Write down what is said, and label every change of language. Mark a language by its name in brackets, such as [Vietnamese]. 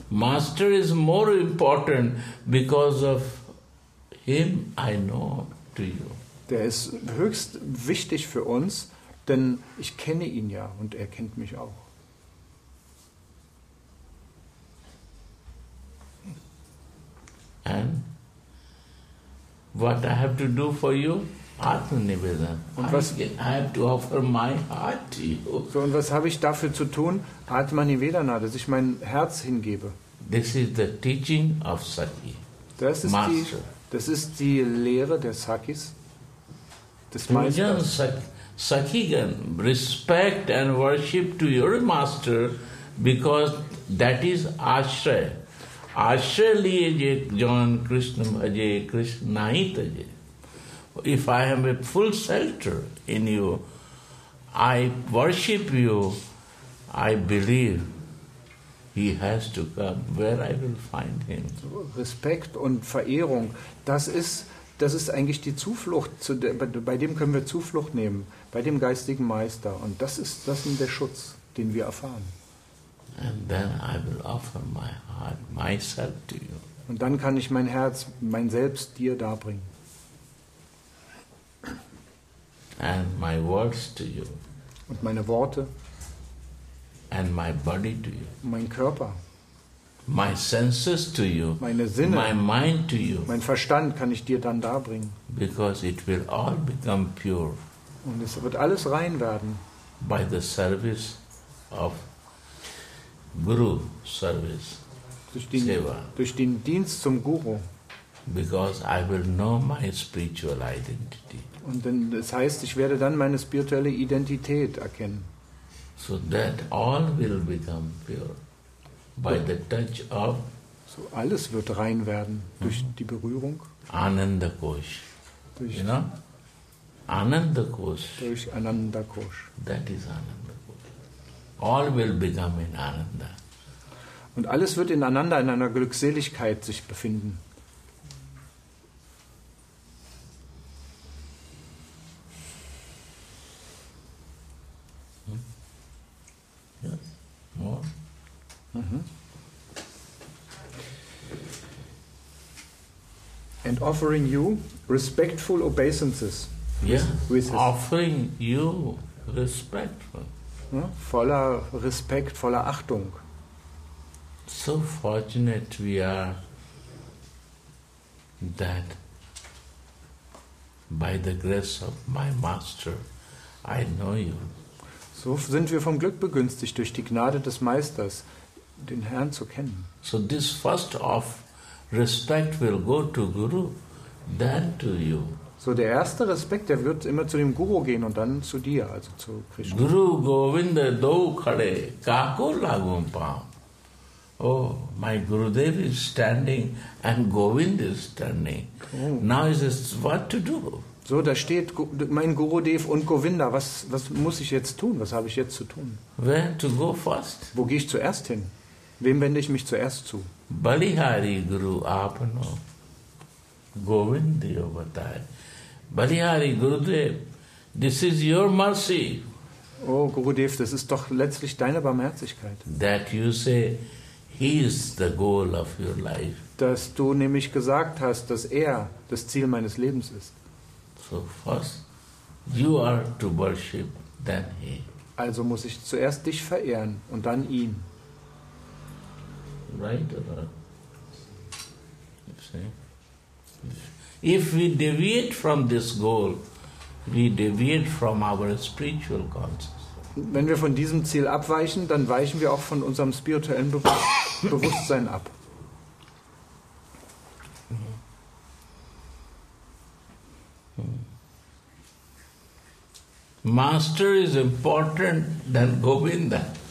[English] Master is more important because of him I know to you. [German] Der ist höchst wichtig für uns, denn ich kenne ihn ja und er kennt mich auch. [English] And what I have to do for you, Atma Nivedana. [German] Und was [English] I have to offer my heart to you. [German] So, und was habe ich dafür zu tun, Atma Nivedana, dass ich mein Herz hingebe? [English] This is the teaching of Sakhi. [German] Das ist die Lehre der Sakis, des Meisters. [English] Sakigan, respect and worship to your master, because that is ashray. [Hindi] Ashray liye je John Krishna bhaje Krishna hi taje. [English] If I am a full shelter in you, I worship you, I believe he has to come where I will find him. [German] Respekt und Verehrung, das ist eigentlich die Zuflucht, bei dem können wir Zuflucht nehmen, bei dem geistigen Meister. Und das ist der Schutz, den wir erfahren. [English] And then I will offer my heart, myself to you. [German] Und dann kann ich mein Herz, mein Selbst dir darbringen. [English] And my words to you. [German] Und meine Worte. [English] And my body to you. [German] Mein Körper. [English] My senses to you. [German] Meine Sinne. [English] My mind to you. [German] Mein Verstand kann ich dir dann darbringen. [English] Because it will all become pure. [German] Und es wird alles rein werden. [English] By the service of Guru service, [German] Seva. Durch den Dienst zum Guru. [English] Because I will know my spiritual identity. [German] Und dann, das heißt, ich werde dann meine spirituelle Identität erkennen. [English] So that all will become pure by the touch of. [German] So alles wird rein werden durch die Berührung. [English] Ananda Kosh. [German] Durch, [English] you know? Ananda Kosh. [German] Durch Ananda Kosh. [English] That is Ananda. All will become in Ananda. [German] Und alles wird ineinander, in einer Glückseligkeit sich befinden. [English] Hm? Yes. More. Mm-hmm. And offering you respectful obeisances. Yes, offering you respectful. [German] Voller Respekt, voller Achtung. [English] So fortunate we are that By the grace of my master, I know you. [German] So sind wir vom Glück begünstigt, durch die Gnade des Meisters, den Herrn zu kennen. [English] So this first of respect will go to Guru, then to you. [German] So der erste Respekt, der wird immer zu dem Guru gehen und dann zu dir, also zu Krishna. [Hindi] Guru Govinda do khade kaku lagum paam. [English] Oh, my Gurudev is standing and Govind is standing. Oh. Now is this what to do? [German] So, da steht mein Gurudev und Govinda. Was muss ich jetzt tun? Was habe ich jetzt zu tun? [English] Where to go first? [German] Wo gehe ich zuerst hin? Wem wende ich mich zuerst zu? [Hindi] Balihari Guru Apano Govindi Obatai. [English] Balihari Gurudev, this is your mercy. [German] Oh, Gurudev, das ist doch letztlich deine Barmherzigkeit. [English] That you say, He is the goal of your life. [German] Dass du nämlich gesagt hast, dass er das Ziel meines Lebens ist. [English] So first, you are to worship, then he. [German] Also muss ich zuerst dich verehren und dann ihn. [English] Right or not? See? If we deviate from this goal, we deviate from our spiritual consciousness. [German] Wenn wir von diesem Ziel abweichen, dann weichen wir auch von unserem spirituellen Bewusstsein ab. [English] Master is important than Govinda.